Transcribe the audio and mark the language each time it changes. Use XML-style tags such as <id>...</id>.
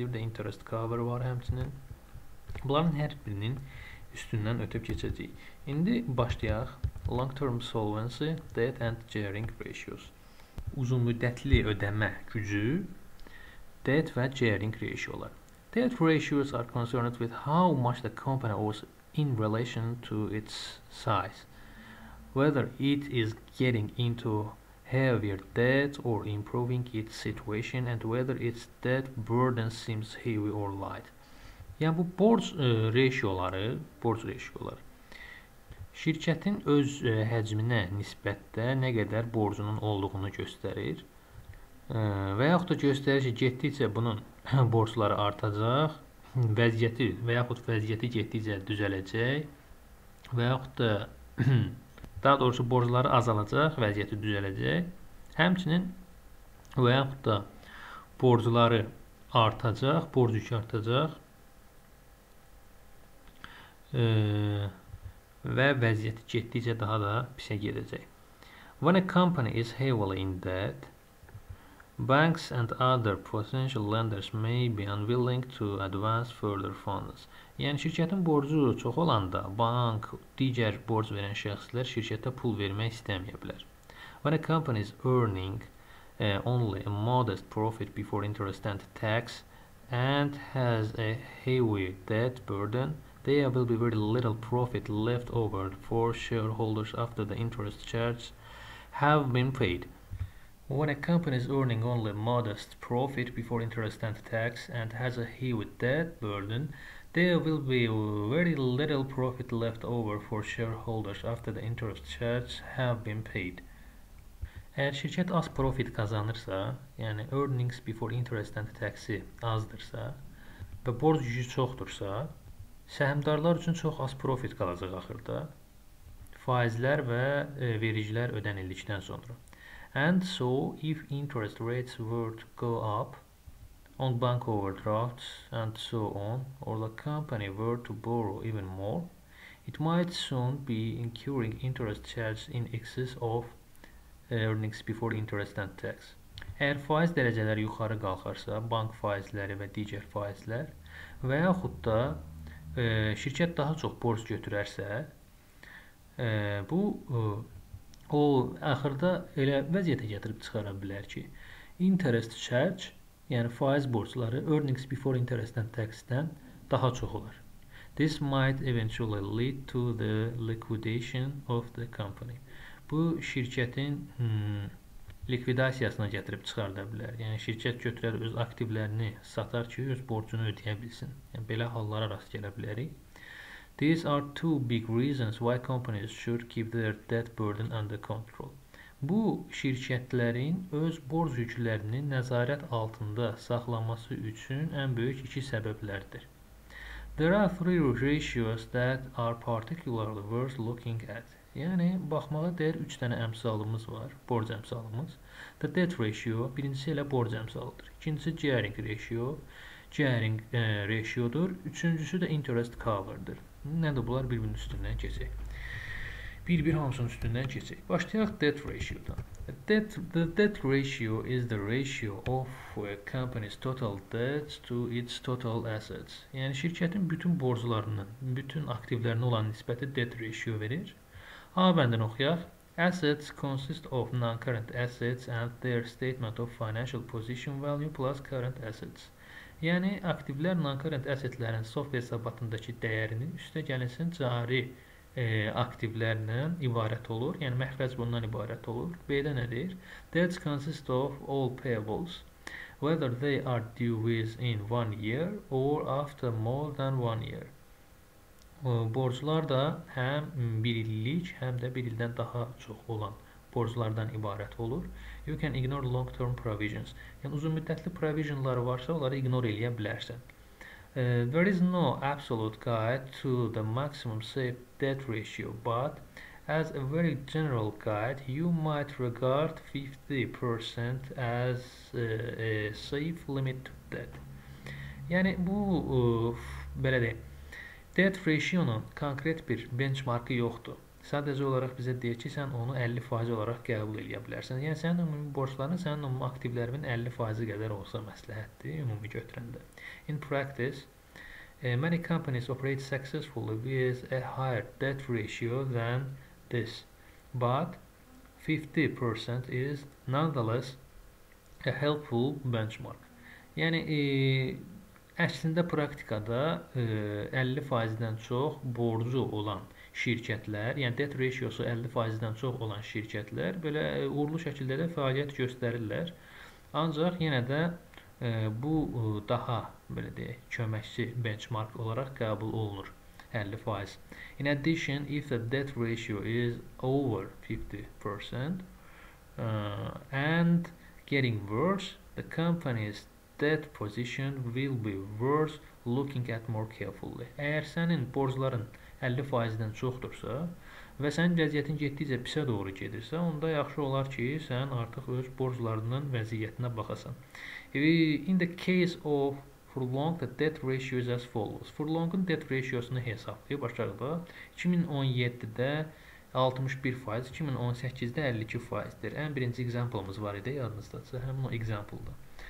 <az>Bir də interest cover var həmçinin. Bunların hər birinin üstündən ötüb keçəcəyik. İndi başlayaq.</az> <en>Long-term solvency, debt and gearing ratios.</en> <az>uzunmüddətli ödəmə gücü, debt və gearing ratio-lar.</az> <en>Debt ratios are concerned with how much the company owes in relation to its size, whether it is getting into heavier debt or improving its situation, and whether its debt burden seems heavy or light.</en> <az>Yəni bu borc ratioları, borc ratioları şirkətin öz həcminə nisbətdə nə qədər borcunun olduğunu göstərir. Və yaxud da göstərir ki, getdikcə bunun borcları artacaq, vəziyyəti və yaxud vəziyyəti getdikcə düzələcək və yaxud da daha doğrusu borcları azalacaq, vəziyyəti düzələcək. Həmçinin və yaxud da borcları artacaq, borc yükü artacaq. Və vəziyyəti getdikcə daha da pisə gedəcək.</az> <en>When a company is heavily in debt, banks and other potential lenders may be unwilling to advance further funds.</en> <az>Yəni şirkətin borcu çox olanda bank, digər borc verən şəxslər şirkətə pul vermək istəməyə bilər.</az> <en>When a company is earning only a modest profit before interest and tax and has a heavy debt burden, there will be very little profit left over for shareholders after the interest charge have been paid. When a company is earning only modest profit before interest and tax and has a heavy debt burden, there will be very little profit left over for shareholders after the interest charge have been paid.</en> <az>Əgər şirkət az profit kazanırsa, yəni earnings before interest and taxi azdırsa və borc yükü çoxdursa, səhmdarlar üçün çox az profit qalacaq axırda, faizlər və vericilər ödənildikdən sonra.</az> <en>And so, if interest rates were to go up on bank overdrafts and so on, or the company were to borrow even more, it might soon be incurring interest charges in excess of earnings before interest and tax.</en> <az>Əgər faiz dərəcələri yuxarı qalxarsa, bank faizləri və digər faizlər və yaxud da şirkət daha çox borc götürərsə, bu o axırda elə vəziyyətə gətirib çıxara bilər ki, interest charge, yəni faiz borcları earnings before interest and tax-dən daha çox olar.</az> <en>This might eventually lead to the liquidation of the company.</en> <az>Bu şirkətin likvidasiyasına gətirib çıxarda bilər. Yəni şirkət götürər öz aktivlərini satar ki, öz borcunu ödəyə bilsin. Yəni belə hallara rast gələ bilərik.</az> <en>These are two big reasons why companies should keep their debt burden under control.</en> <az>Bu şirkətlərin öz borc yüklərini nəzarət altında saxlaması üçün ən böyük iki səbəblərdir.</az> <en>There are three ratios that are particularly worth looking at.</en> <az>Yəni, baxmağa dəyər 3 dənə əmsalımız var, borc əmsalımız. The debt ratio, birincisi elə borc əmsalıdır. İkincisi gearing ratio, gearing ratio-dur. Üçüncüsü də interest cover-dır. Nədir bunlar? Bir-birinin üstündən keçək. Bir-bir hamısının üstündən keçək. Başlayaq debt ratio-dan.</az> <en>The debt ratio is the ratio of a company's total debt to its total assets.</en> <az>Yəni, şirkətin bütün borclarının, bütün aktivlərinin olan nisbəti debt ratio verir. A bəndini oxuyaq.</az> <en>Assets consist of non-current assets and their statement of financial position value plus current assets.</en> <az>Yəni, aktivlər non-current assetlərin soft hesabatındakı dəyərinin üstə gəlinsin cari aktivlərlə ibarət olur. Yəni, məxrəc bundan ibarət olur. B-də nə deyir?</az> <en>Debts consist of all payables, whether they are due within one year or after more than one year.</en> <az>Borclar da həm bir illik, həm də bir ildən daha çox olan borclardan ibarət olur.</az> <en>You can ignore long-term provisions.</en> <az>Yəni, uzun müddətli provisionları varsa, onları ignore eləyə bilərsən.</az> <en>There is no absolute guide to the maximum safe debt ratio, but as a very general guide, you might regard 50% as a safe limit to debt.</en> <az>Yəni, bu, belə deyək, debt ratio-nun konkret bir benchmarkı yoxdur. Sadəcə olaraq bizə deyir ki, sən onu 50% olaraq qəbul edə bilərsən. Yəni, sənin ümumi borcların sənin ümumi aktivlərinin 50% qədər olsa məsləhətdir ümumi götürəndə.</az> <en>In practice, many companies operate successfully with a higher debt ratio than this. But 50% is nonetheless a helpful benchmark.</en> <az>Yəni əslində praktikada 50%-dən çox borcu olan şirkətlər, yəni debt ratio-su 50%-dən çox olan şirkətlər belə uğurlu şəkildə də fəaliyyət göstərirlər. Ancaq yenə də bu daha belə deyək, köməkçi benchmark olaraq qəbul olunur 50%.</az> <en>In addition, if the debt ratio is over 50% and getting worse, the company's debt position will be worth looking at more carefully.</en> <az>Əgər sənin borcların 50%-dən çoxdursa və sənin vəziyyətin getdikcə pisə doğru gedirsə, onda yaxşı olar ki, sən artıq öz borclarının vəziyyətinə baxasan. In the case of Furlong, the debt ratio is as follows. Furlong'un debt ratio'sunu hesaplayıb aşağıda. 2017'də 61%, 2018'də 52%-dir. Ən birinci example'ımız var idi yadınızdadırsa, həmin o example'da.</az>